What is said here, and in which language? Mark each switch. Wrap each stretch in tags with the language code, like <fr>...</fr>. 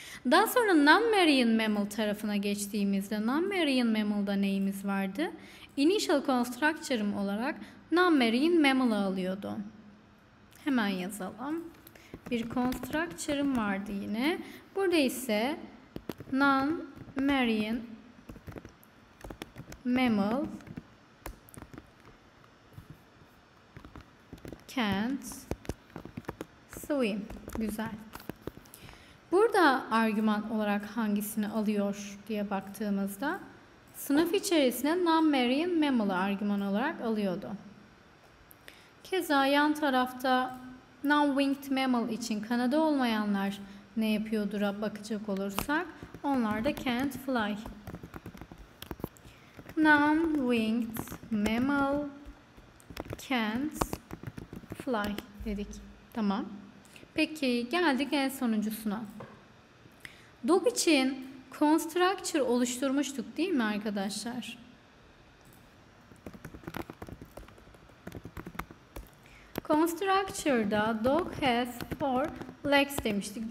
<tr>Daha sonra non-marine mammal tarafına geçtiğimizde non-marine mammal'da neyimiz vardı? Initial constructor'ım olarak non-marine mammal'ı alıyordu. Hemen yazalım. Bir constructor'ım vardı yine. Burada ise</tr> <en>non-marine mammal can't swim.</en> <tr>Güzel. Burada argüman olarak hangisini alıyor diye baktığımızda sınıf içerisine non-marine mammal'ı argüman olarak alıyordu. Keza yan tarafta non-winged mammal için kanadı olmayanlar ne yapıyordur'a bakacak olursak onlar da</tr> <en>can't fly. Non-winged mammal can't fly</en> <tr>dedik. Tamam. Peki geldik en sonuncusuna. Dog için constructor oluşturmuştuk değil mi arkadaşlar? Constructor'da</tr> <en>dog has four legs</en> <tr>demiştik.</tr>